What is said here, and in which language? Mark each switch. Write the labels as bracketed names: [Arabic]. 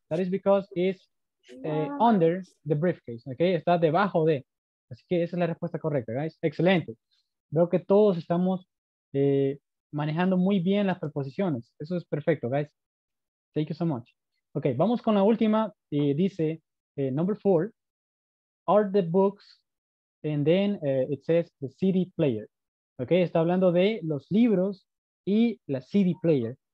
[English] That is because it's under the briefcase, ¿ok? [Spanish] Está debajo de. Así que esa es la respuesta correcta, guys. Excelente. Veo que todos estamos manejando muy bien las preposiciones. Eso es perfecto, guys. [English] Thank you so much. [Spanish] Ok, vamos con la última. [English] Dice, number 4. Are the books, and then it says the CD player. [Spanish] Ok, está hablando de los libros y la CD player.